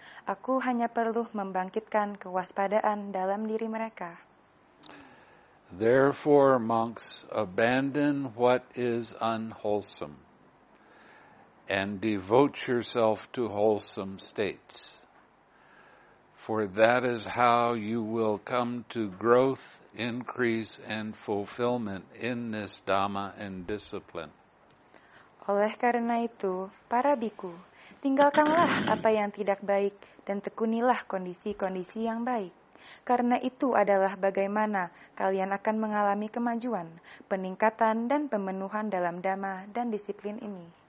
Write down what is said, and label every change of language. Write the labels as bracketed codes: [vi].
[id] Aku hanya perlu membangkitkan kewaspadaan dalam diri mereka. [en] Therefore, monks, abandon what is unwholesome and devote yourself to wholesome states. For that is how you will come to growth, increase, and fulfillment in this Dhamma and discipline. [id] Oleh karena itu, para bhikkhu, tinggalkanlah apa yang tidak baik dan tekunilah kondisi-kondisi yang baik. Karena itu adalah bagaimana kalian akan mengalami kemajuan, peningkatan, dan pemenuhan dalam dhamma dan disiplin ini.